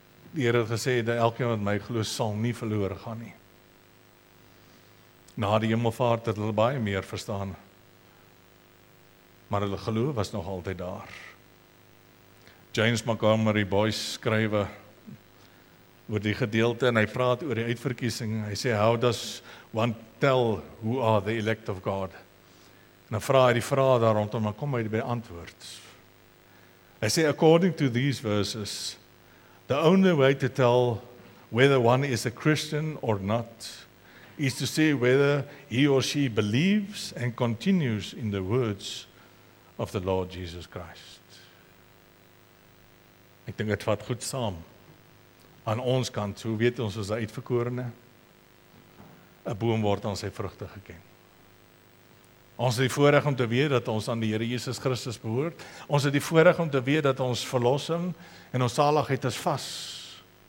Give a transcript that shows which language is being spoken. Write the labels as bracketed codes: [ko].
[af] Die Here het gesê dat elkeen wat my glo sal nie verlore gaan nie. Na die hemelvaart het hulle baie meer verstaan. Maar hulle geloof was nog altyd daar. James Montgomery Boyce skrywe oor die gedeelte en hy praat oor die uitverkiesing. Hy sê, [en] how does one tell who are the elect of God? [af] En dan vraag hy die vraag daar rondom, maar kom hy by antwoord. Hy sê, [en] according to these verses, the only way to tell whether one is a Christian or not is to say whether he or she believes and continues in the words of the Lord Jesus Christ. [af] Ek dink dit vat goed saam. Aan ons kant, hoe weet ons as 'n uitverkorene? 'N boom word aan sy vrugte geken. Ons het die voorreg om te weet dat ons aan die Here Jesus Christus behoort. Ons het die voorreg om te weet dat ons verlossing en ons saligheid is vas.